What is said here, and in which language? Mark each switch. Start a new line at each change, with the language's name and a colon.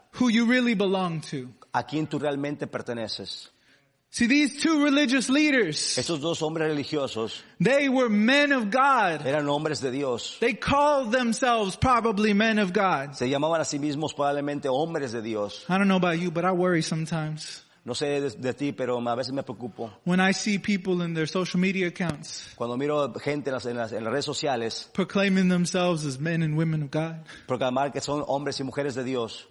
English: who you really belong to.
Spanish: A quién tú realmente perteneces.
English: See, these two religious leaders.
Spanish: Estos dos hombres religiosos.
English: They were men of God.
Spanish: Eran hombres de Dios.
English: They called themselves probably men of God.
Spanish: Se llamaban a sí mismos probablemente hombres de Dios.
English: I don't know about you, but I worry sometimes.
Spanish: No sé de ti, pero a veces me preocupo.
English: When I see people in their social media accounts.
Spanish: Cuando miro gente en las redes sociales.
English: Proclaiming themselves as men and women of God.
Spanish: Proclamar que son hombres y mujeres de Dios.